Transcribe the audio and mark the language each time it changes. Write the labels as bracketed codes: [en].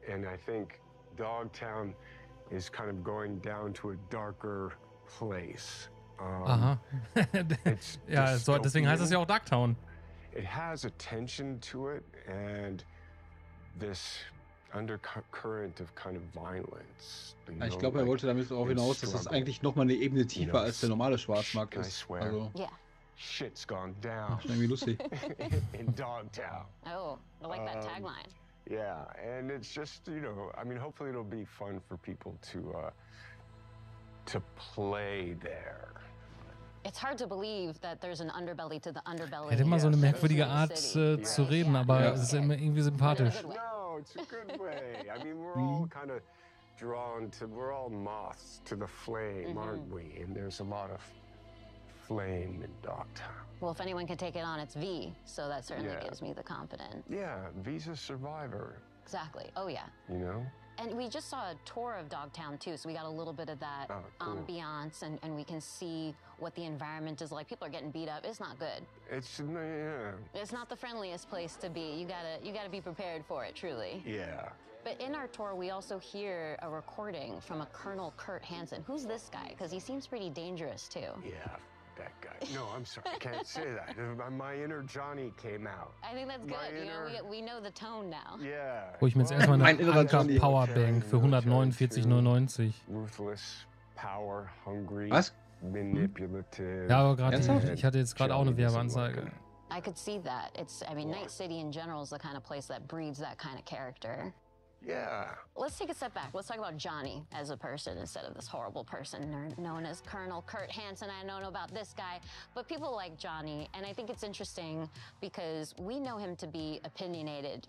[en] And I think Dogtown is kind of going down to a darker place. [de] Aha. Ja, deswegen heißt es ja auch Dogtown. [en] It has a tension to it and this undercurrent of kind of violence. [de] Ja, ich glaube, er wollte damit auch hinaus, dass es eigentlich noch mal eine Ebene tiefer als der normale Schwarzmarkt ist. Also, [en] shit's gone down. [de] Ach, irgendwie lustig. [en] In Dogtown. Oh, I like that tagline. Yeah, and it's just, you know, I mean, hopefully it'll be fun for people to play there. It's hard to believe that there's an underbelly to the underbelly. [de] Er hat immer so eine merkwürdige Art zu reden, aber es ist immer irgendwie sympathisch. [en] No, it's a good way. I mean, we're all kind of drawn to, we're all moths to the flame, aren't we? And there's a lot of flame in Dogtown. Well, if anyone can take it on, it's V. So that certainly gives me the confidence. Yeah, V's a survivor. Exactly. Oh, yeah. You know? And we just saw a tour of Dogtown too, so we got a little bit of that ambiance, and we can see what the environment is like. People are getting beat up. It's not good. It's It's not the friendliest place to be. You gotta be prepared for it, truly. Yeah. But in our tour, we also hear a recording from a Colonel Kurt Hansen. Who's this guy? Because he seems pretty dangerous too. Yeah, that guy. No, I'm sorry. I can't say that. My inner Johnny came out. I think that's good. You know, we know the tone now. Yeah. [de] Wo ich mir jetzt erstmal eine Powerbank für 149,99. [en] Ruthless, power hungry. [de] Was? [en] Manipulative. [de] Ja, aber gerade ich hatte jetzt gerade auch eine Werbeanzeige. [en] I could see that. It's, I mean, Night City in general is the kind of place that breeds that kind of character. Yeah. Let's take a step back. Let's talk about Johnny as a person instead of this horrible person known as Colonel Kurt Hansen. I don't know about this guy, but people like Johnny. And I think it's interesting because we know him to be opinionated.